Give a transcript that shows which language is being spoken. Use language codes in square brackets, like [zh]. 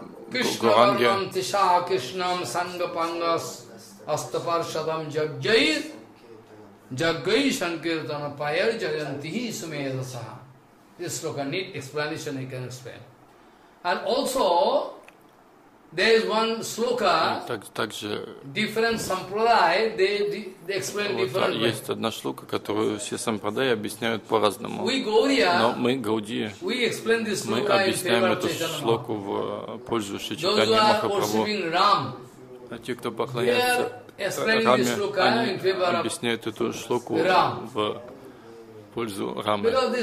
[sa] Кришна Варнам Тиша Кришнам Санга Пангас Астапаршадам Джаггайр Джаггай Шанкиртана Пайар Джагантихи Сумеда Саха. [en] This look, I need explanation, I can explain. And also, there is one sloka, different sampradaya, they explain different way. [ru] Есть одна шлука, которую все сампрадаи объясняют по-разному. Но мы, гаудии, мы объясняем эту шлоку в пользу Шри Чайтаньи Махапрабху. А те, кто поклоняется Раме, они объясняют эту шлоку в пользу Рамы.